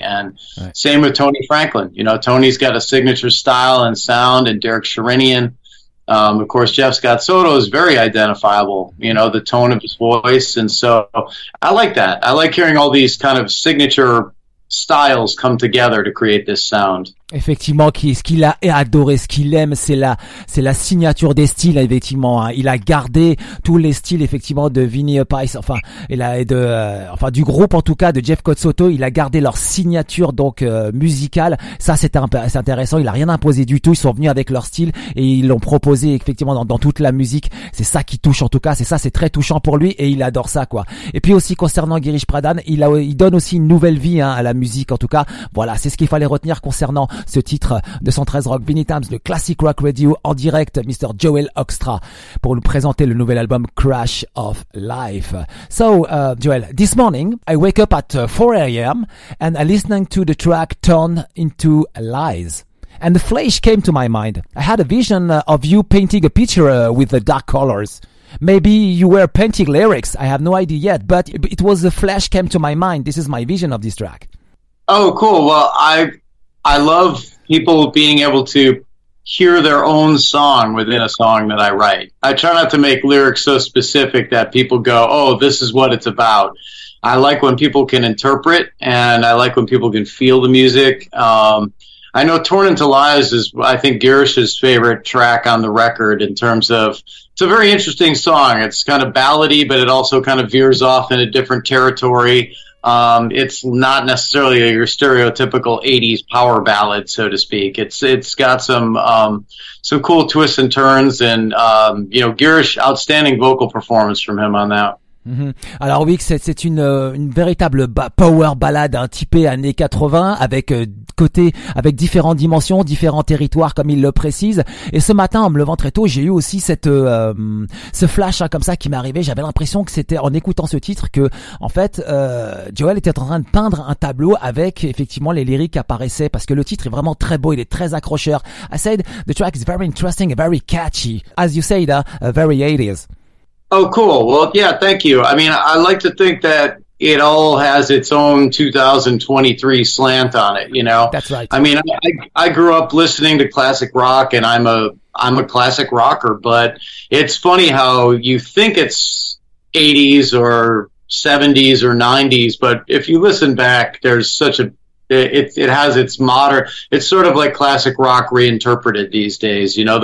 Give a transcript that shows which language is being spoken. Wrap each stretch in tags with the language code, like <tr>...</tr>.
<en>And right, same with Tony Franklin, you know. Tony's got a signature style and sound, and Derek Sherinian. Of course, Jeff Scott Soto is very identifiable, you know, the tone of his voice. And so I like that. I like hearing all these kind of signature styles come together to create this sound.</en> <fr>Effectivement, ce qu'il a adoré, ce qu'il aime, c'est la signature des styles, effectivement, hein. Il a gardé tous les styles, effectivement, de Vinnie Appice, enfin, et du groupe, en tout cas, de Jeff Scott Soto. Il a gardé leur signature, musicale. Ça, c'est intéressant. Il a rien imposé du tout. Ils sont venus avec leur style et ils l'ont proposé, effectivement, dans toute la musique. C'est ça qui touche, en tout cas. C'est ça, c'est très touchant pour lui et il adore ça, quoi. Et puis aussi, concernant Gearish Pradhan, il donne aussi une nouvelle vie, hein, à la musique, en tout cas. Voilà. C'est ce qu'il fallait retenir concernant ce titre de 113 Rock, Vinnie Tams, le Classic Rock Radio, en direct, Mr. Joel Hoekstra, pour nous présenter le nouvel album Crash of Life.</fr> <en>So, Joel, this morning, I wake up at 4 a.m. and I listening to the track Turn into Lies. And the flash came to my mind. I had a vision of you painting a picture with the dark colors. Maybe you were painting lyrics, I have no idea yet, but it was the flash came to my mind. This is my vision of this track. Oh, cool. Well, I love people being able to hear their own song within a song that I write. I try not to make lyrics so specific that people go, oh, this is what it's about. I like when people can interpret, and I like when people can feel the music. I know Torn Into Lies is, I think, Gerrish's favorite track on the record in terms of, it's a very interesting song. It's kind of ballady, but it also kind of veers off in a different territory. It's not necessarily your stereotypical 80s power ballad, so to speak. It's got some cool twists and turns, and Gerrish, outstanding vocal performance from him on that. Mm-hmm.</en> <fr>Alors oui, c'est une véritable power ballade, hein, typée années 80, avec différentes dimensions, différents territoires, comme il le précise. Et ce matin, en me levant très tôt, j'ai eu aussi ce flash, hein, comme ça, qui m'est arrivé. J'avais l'impression que c'était en écoutant ce titre que, en fait, Joel était en train de peindre un tableau avec effectivement les lyriques qui apparaissaient, parce que le titre est vraiment très beau, il est très accrocheur.</fr> <en>I said the track is very interesting, very catchy, as you said, very 80s. Oh, cool. Well, yeah, thank you. I mean, I like to think that it all has its own 2023 slant on it, you know? That's right. I mean, I grew up listening to classic rock, and I'm a classic rocker, but it's funny how you think it's 80s or 70s or 90s, but if you listen back, there's such a, it has its modern, it's sort of like classic rock reinterpreted these days, you know?</en>